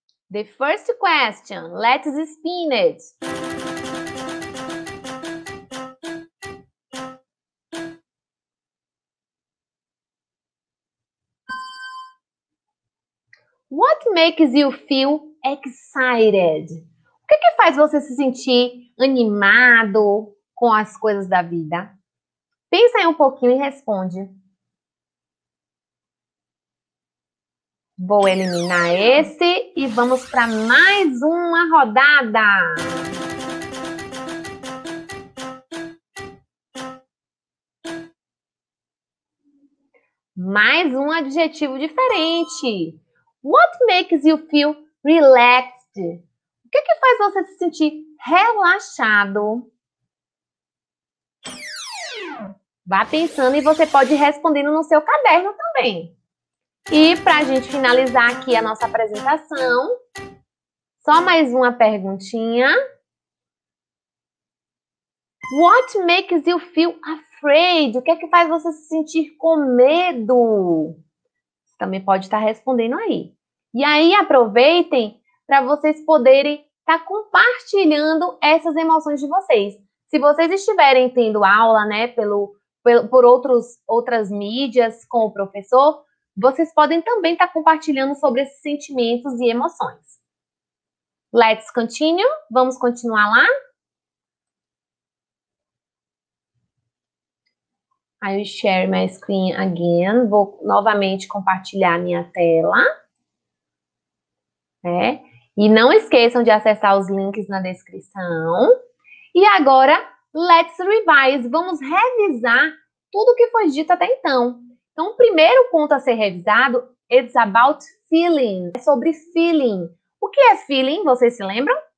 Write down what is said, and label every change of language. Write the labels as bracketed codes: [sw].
[en] The first question, let's spin it. What makes you feel excited? [pt] O que faz você se sentir animado com as coisas da vida? Pensa aí um pouquinho e responde. Vou eliminar esse e vamos para mais uma rodada. Mais um adjetivo diferente. [en] What makes you feel relaxed? [pt] O que faz você se sentir relaxado? Vá pensando e você pode ir respondendo no seu caderno também. E para a gente finalizar aqui a nossa apresentação, só mais uma perguntinha. [en] What makes you feel afraid? [pt] O que faz você se sentir com medo? Também pode estar respondendo aí. E aí aproveitem para vocês poderem estar compartilhando essas emoções de vocês. Se vocês estiverem tendo aula, né, por outras mídias com o professor, vocês podem também estar compartilhando sobre esses sentimentos e emoções. [en] Let's continue. [pt] Vamos continuar lá? [en] I will share my screen again. [pt] Vou novamente compartilhar minha tela. Né? E não esqueçam de acessar os links na descrição. E agora, [en] let's revise. [pt] Vamos revisar tudo o que foi dito até então. Então, o primeiro ponto a ser revisado, [en] it's about feeling, [pt] é sobre feeling. O que é feeling? Vocês se lembram?